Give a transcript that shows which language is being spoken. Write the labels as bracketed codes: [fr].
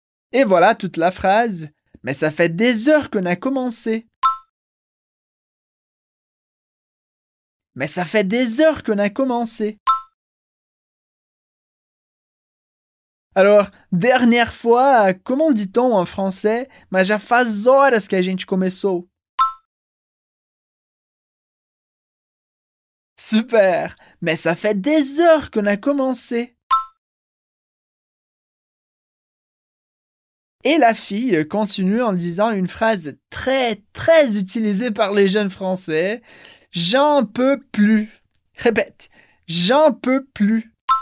[fr] Et voilà toute la phrase. Mais ça fait des heures qu'on a commencé. Mais ça fait des heures qu'on a commencé. Alors, dernière fois, comment dit-on en français? [pt] Mas já faz horas que a gente começou. [fr] Super! Mais ça fait des heures qu'on a commencé. Et la fille continue en disant une phrase très, très utilisée par les jeunes français. J'en peux plus. Répète. J'en peux plus.